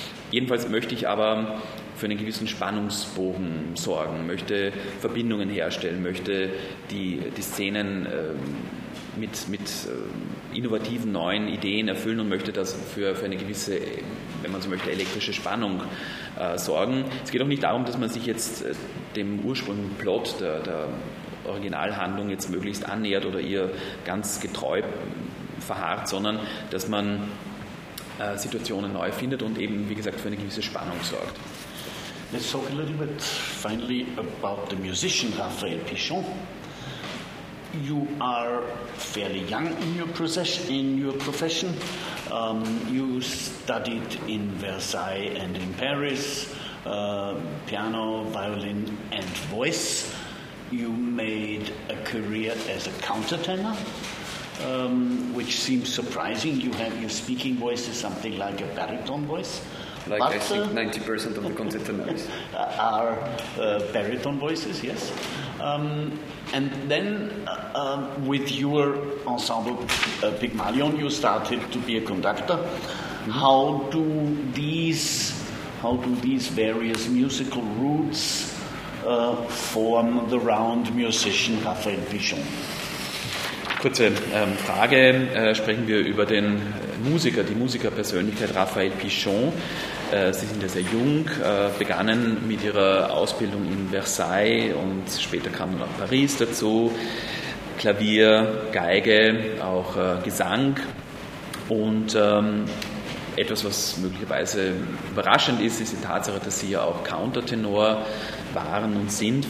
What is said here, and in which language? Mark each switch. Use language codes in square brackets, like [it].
[de] Jedenfalls möchte ich aber für einen gewissen Spannungsbogen sorgen, möchte Verbindungen herstellen, möchte die Szenen mit innovativen neuen Ideen erfüllen und möchte das für eine gewisse, wenn man so möchte, elektrische Spannung sorgen. Es geht auch nicht darum, dass man sich jetzt dem ursprünglichen Plot der Originalhandlung jetzt möglichst annähert oder ihr ganz getreu verharrt, sondern dass man Situationen neu findet und eben, wie gesagt, für eine gewisse Spannung sorgt. [en] Let's talk a little bit finally about the musician Raphael Pichon. You are fairly young in your profession. You studied in Versailles and in Paris, piano, violin and voice. You made a career as a countertenor, which seems surprising. Your speaking voice is something like a baritone voice. Like, but I think 90% of the concertinos are baritone voices, yes. And then with your ensemble Pygmalion, you started to be a conductor. Mm-hmm. How do these various musical roots form the round musician Raphael Pichon? [de] Kurze Frage. Sprechen wir über den Musiker, die Musikerpersönlichkeit Raphael Pichon. Sie sind ja sehr jung, begannen mit ihrer Ausbildung in Versailles und später kam dann auch Paris dazu. Klavier, Geige, auch Gesang. Und etwas, was möglicherweise überraschend ist, ist die Tatsache, dass sie ja auch Countertenor waren und sind.